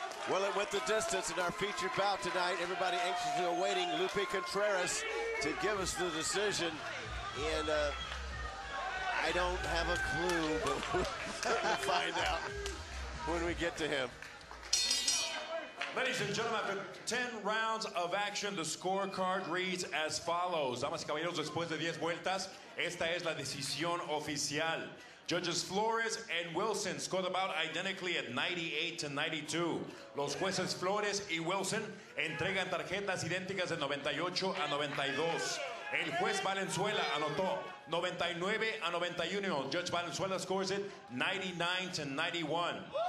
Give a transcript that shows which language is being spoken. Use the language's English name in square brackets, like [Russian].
[English] Well, it went the distance in our featured bout tonight. Everybody anxiously awaiting Lupe Contreras to give us the decision. And I don't have a clue, but we'll find out when we get to him. Ladies and gentlemen, after 10 rounds of action, the scorecard reads as follows. [Spanish] Damas y caballeros, después de 10 vueltas, esta es la decisión oficial. [English] Judges Flores and Wilson scored about identically at 98 to 92. [Spanish] Los jueces Flores y Wilson entregan tarjetas idénticas de 98 a 92. El juez Valenzuela anotó 99-91. [English] Judge Valenzuela scores it 99-91.